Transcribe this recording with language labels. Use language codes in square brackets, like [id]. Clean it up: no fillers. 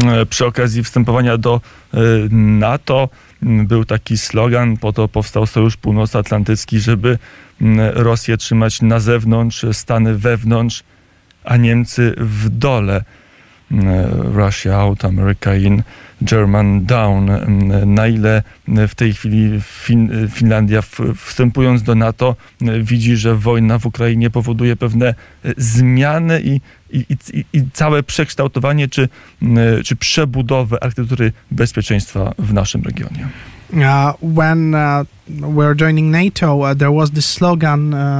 [pl] Przy okazji wstępowania do NATO był taki slogan, po to powstał Sojusz Północnoatlantycki, żeby Rosję trzymać na zewnątrz, Stany wewnątrz, a Niemcy w dole. [en] Russia out, America in, German down. [pl] Na ile w tej chwili Finlandia, wstępując do NATO, widzi, że wojna w Ukrainie powoduje pewne zmiany i całe przekształtowanie czy przebudowę architektury bezpieczeństwa w naszym regionie? [en] When we're joining NATO, there was this slogan.